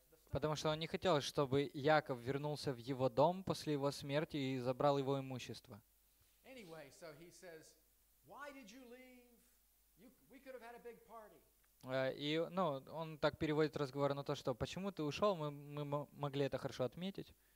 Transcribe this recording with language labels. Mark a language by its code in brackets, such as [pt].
[ru] Потому что он не хотел, чтобы Яков вернулся в его дом после его смерти и забрал его имущество. [en] Anyway, so he says, why did you leave? We could have had a big party. [ru] И, ну, он так переводит разговор на то, что почему ты ушел, мы могли это хорошо отметить.